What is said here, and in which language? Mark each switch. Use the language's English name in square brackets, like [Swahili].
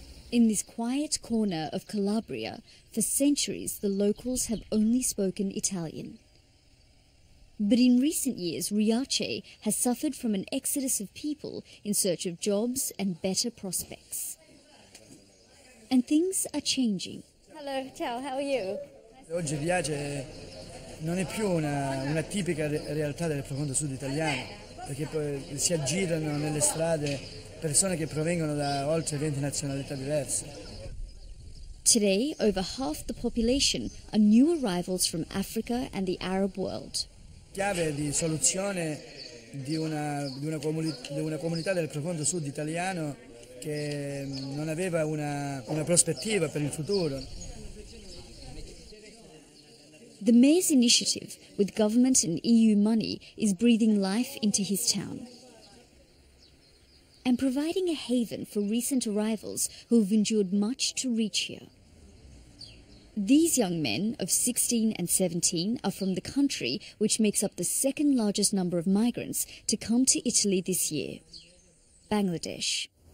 [English] In this quiet corner of Calabria, for centuries, the locals have only spoken Italian. But in recent years, Riace has suffered from an exodus of people in search of jobs and better prospects. And things are changing. Hello, ciao, how are you? [Italian] Oggi Riace non è più una tipica realtà del profondo sud italiano, perché si aggirano nelle strade persone che provengono da oltre 20 nazionalità diverse. [English] Today, over half the population are new arrivals from Africa and the Arab world. [Italian] Chiave di soluzione di una comunità del profondo sud italiano che non aveva una prospettiva per il futuro. [English] The mayor's initiative, with government and EU money, is breathing life into his town and providing a haven for recent arrivals who have endured much to reach here. These young men of 16 and 17 are from the country which makes up the second largest number of migrants to come to Italy this year, Bangladesh.